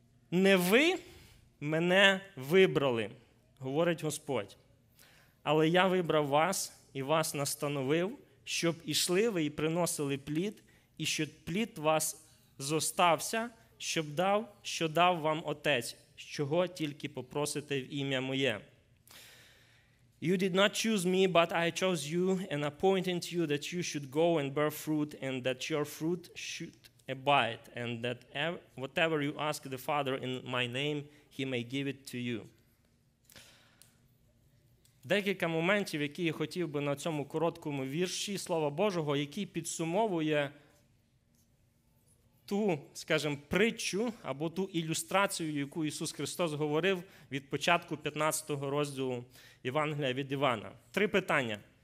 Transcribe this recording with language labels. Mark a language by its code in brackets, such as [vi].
[uk] «Не ви мене вибрали, говорить Господь, але я вибрав вас і вас настановив, щоб ішли ви і приносили плід, і щоб плід вас зостався, щоб дав, що дав вам Отець, чого тільки попросите в ім'я моє. [en] You did not choose me, but I chose you and appointed you that you should go and bear fruit, and that your fruit should abide, and that whatever you ask the Father in my name, he may give it to you». [uk] Декілька моментів, які я хотів би на цьому короткому вірші Слова Божого, який підсумовує ту, скажімо, притчу або ту ілюстрацію, яку Ісус Христос говорив від початку 15 розділу Євангелія від Івана. Три питання.